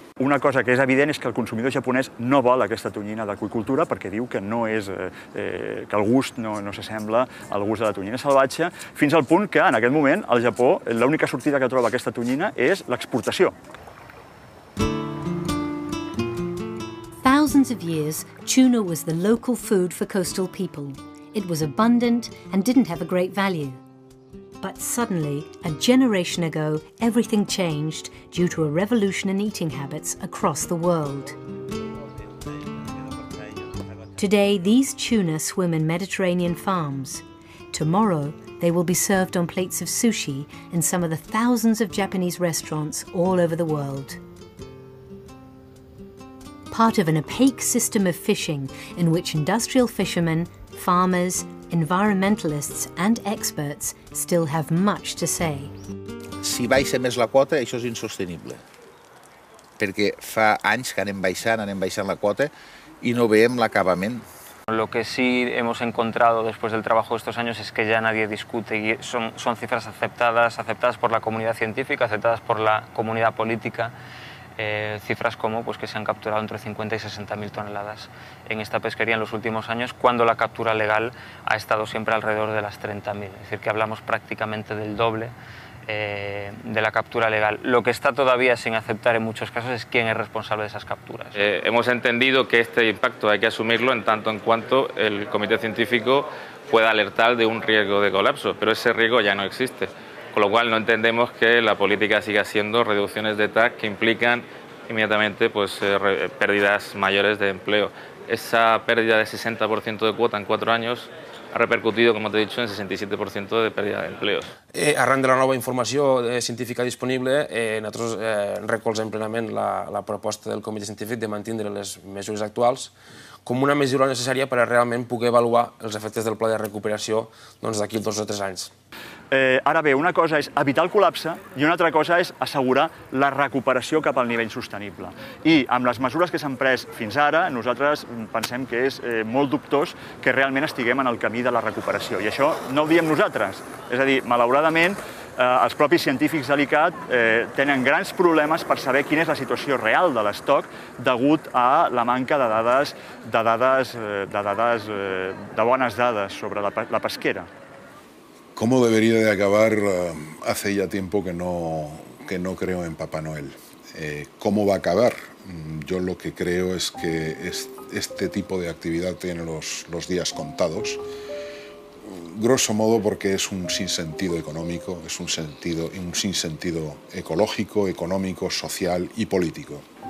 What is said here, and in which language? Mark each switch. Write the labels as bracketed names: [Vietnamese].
[Catalan] Una cosa que és evident és que el consumidor japonès no vol aquesta tonyina d'aqüicultura perquè diu que no és, que el gust no s'assembla al gust de la tonyina salvatge, fins al punt que en aquest moment al Japó l'única sortida que troba aquesta tonyina és l'exportació. [English] Thousands of years, tuna was the local food for coastal people. It was abundant and didn't have a great value. But suddenly, a generation ago, everything changed due to a revolution in eating habits across the world. Today, these tuna swim in Mediterranean farms. Tomorrow, they will be served on plates of sushi in some of the thousands of Japanese restaurants all over the world. Part of an opaque system of fishing in which industrial fishermen, farmers, environmentalists and experts still have much to say. [Catalan] Si baixa més la quota, això és insostenible. Perquè fa anys que anem baixant la quota i no veiem l'acabament. [Spanish] Lo que sí hemos encontrado después del trabajo de estos años es que ya nadie discute y son cifras aceptadas por la comunidad científica, aceptadas por la comunidad política. Cifras como pues, que se han capturado entre 50 y 60 mil toneladas en esta pesquería en los últimos años, cuando la captura legal ha estado siempre alrededor de las 30 mil. Es decir, que hablamos prácticamente del doble de la captura legal. Lo que está todavía sin aceptar en muchos casos es quién es responsable de esas capturas. Hemos entendido que este impacto hay que asumirlo en tanto en cuanto el comité científico pueda alertar de un riesgo de colapso, pero ese riesgo ya no existe. Con lo cual no entendemos que la política siga siendo reducciones de TAC que implican inmediatamente pues, pérdidas mayores de empleo. Esa pérdida de 60% de cuota en 4 años ha repercutido, como te he dicho, en 67% de pérdida de empleos. [Catalan] Arran de la nova informació científica disponible, nosaltres recolzem plenament la proposta del Comitè Científic de mantenir les mesures actuals com una mesura necessària per a realment poder avaluar els efectes del pla de recuperació d'aquí 2 o 3 anys. Ara bé, una cosa és evitar el col·lapse i una altra cosa és assegurar la recuperació cap al nivell sostenible. I amb les mesures que s'han pres fins ara, nosaltres pensem que és molt dubtós que realment estiguem en el camí de la recuperació. I això no ho diem nosaltres. És a dir, malauradament, els propis científics de l'ICAT tenen grans problemes per saber quina és la situació real de l'estoc degut a la manca de bones dades sobre la pesquera. [Spanish] ¿Cómo debería de acabar? Hace ya tiempo que no creo en Papá Noel. ¿Cómo va a acabar? Yo lo que creo es que este tipo de actividad tiene los días contados. Grosso modo porque es un sinsentido económico, es un sinsentido ecológico, económico, social y político.